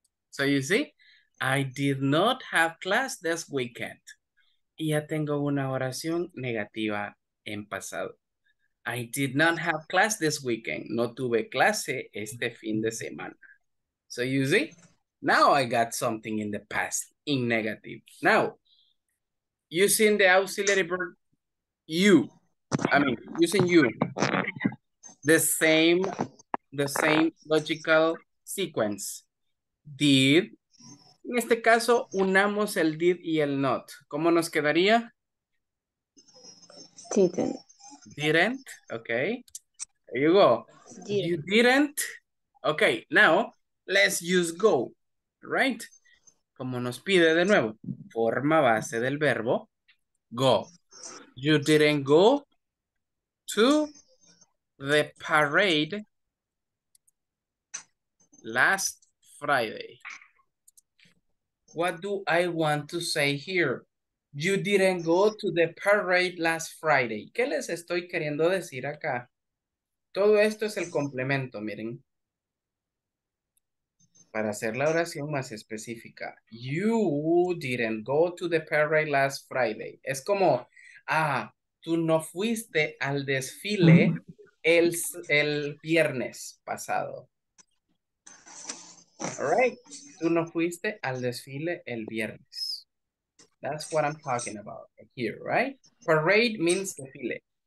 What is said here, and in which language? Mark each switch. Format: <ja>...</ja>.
<en>So you see, I did not have class this weekend.</en> <es>Y ya tengo una oración negativa en pasado.</es> <en>I did not have class this weekend.</en> <es>No tuve clase este fin de semana.</es> <en>So you see, now I got something in the past, in negative. Now, using the auxiliary verb you, I mean, using you, the same logical sequence.</en> <es>Did, en este caso, unamos el did y el not. ¿Cómo nos quedaría?</es> <en>Didn't, okay. There you go. Did. You didn't. Okay, now, let's use go, right?</en> <es>Como nos pide de nuevo, forma base del verbo, go.</es> <en>You didn't go to the parade last Friday. What do I want to say here? You didn't go to the parade last Friday.</en> <es>¿Qué les estoy queriendo decir acá? Todo esto es el complemento, miren. Para hacer la oración más específica.</es> <en>You didn't go to the parade last Friday.</en> <es>Es como, ah, tú no fuiste al desfile el viernes pasado.</es> <en>All right.</en> <es>Tú no fuiste al desfile el viernes.</es> <en>That's what I'm talking about here, right? Parade means desfile.</en>